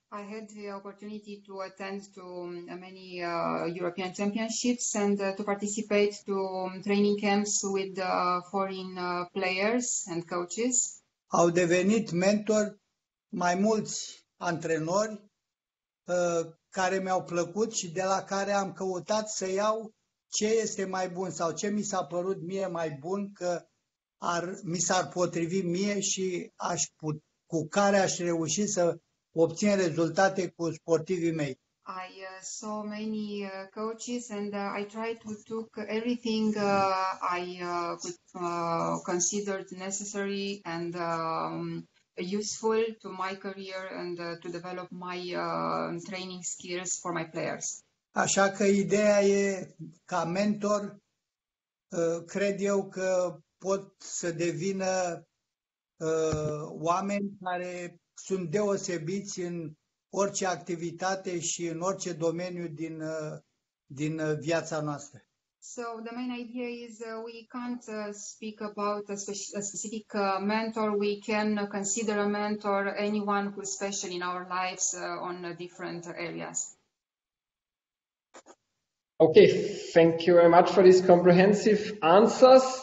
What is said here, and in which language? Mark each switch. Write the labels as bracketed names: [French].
[English] I had the opportunity to attend to many European championships and to participate to training camps with foreign players and coaches. [Romanian] Au devenit mentor mai mulți antrenori care mi-au plăcut și de la care am căutat să iau ce este mai bun sau ce mi s-a părut mie mai bun că mi s-ar potrivi mie și cu care aș reuși să obțin rezultate cu sportivii mei. [English] I saw many coaches and I tried to took everything I considered necessary and useful to my career and to develop my training skills for my players. [Romanian] Așa că ideea e ca mentor, cred eu că pot să devină oameni care sunt deosebiți în orice activitate și în orice domeniu din viața noastră. [English] So the main idea is we can't speak about a specific mentor. We can consider a mentor anyone who's special in our lives on different areas. Okay, thank you very much for these comprehensive answers.